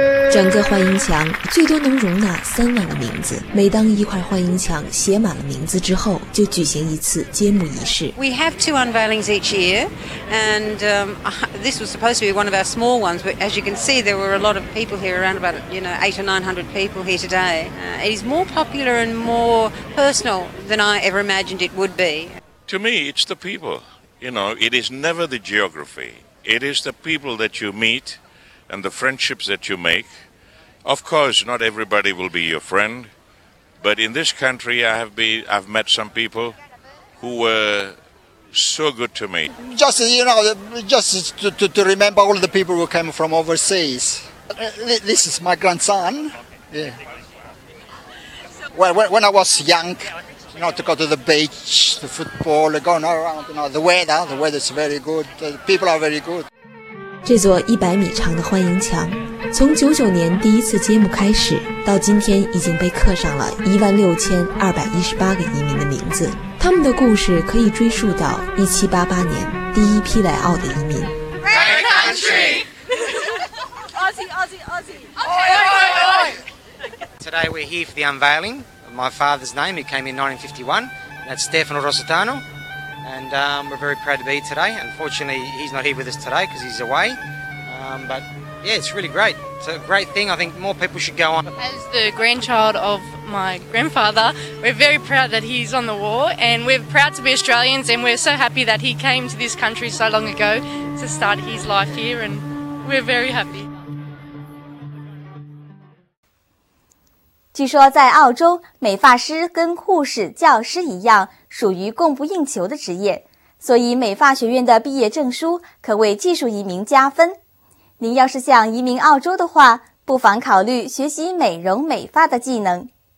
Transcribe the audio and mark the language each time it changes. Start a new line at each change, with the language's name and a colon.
Chinese: 整个欢迎墙最多能容纳3万个名字。每当一块欢迎墙写满了名字之后，就举行一次揭幕仪式。
English: We have 2 unveilings each year, and this was supposed to be one of our small ones, but as you can see, there were a lot of people here, around about, you know, 800 or 900 people here today. It is more popular and more personal than I ever imagined it would be. To me, it's the people. You know, it is never the geography. It is the people that you meet and the friendships that you make. Of course, not everybody will be your friend, but in this country I've met some people who were so good to me. Just, you know, just to remember all the people who came from overseas. This is my grandson. Yeah. When I was young, you know, to go to the beach, the football, going around, you know, the weather's very good, the people are very good.
Chinese: 这座100米长的欢迎墙从99年第一次揭幕开始，到今天已经被刻上了16218个移民的名字。他们的故事可以追溯到1788年第一批来澳的移民。
English: Great country, Aussie, Aussie, Aussie. Today we're here for the unveiling of my father's name. He came in 1951. That's Stefano Rossitano, and we're very proud to be here today. Unfortunately, he's not here with us today because he's away, but. Yeah, it's really great. It's a great thing. I think more people should go on. As the grandchild of my grandfather, we're very proud that he's on the wall, and we're proud to be Australians, and we're so happy that he came to this country so long ago to start his life here, and we're very happy.
Chinese: 据说在澳洲，美发师跟护士、教师一样，属于供不应求的职业，所以美发学院的毕业证书可为技术移民加分。您要是想移民澳洲的话，不妨考虑学习美容美发的技能。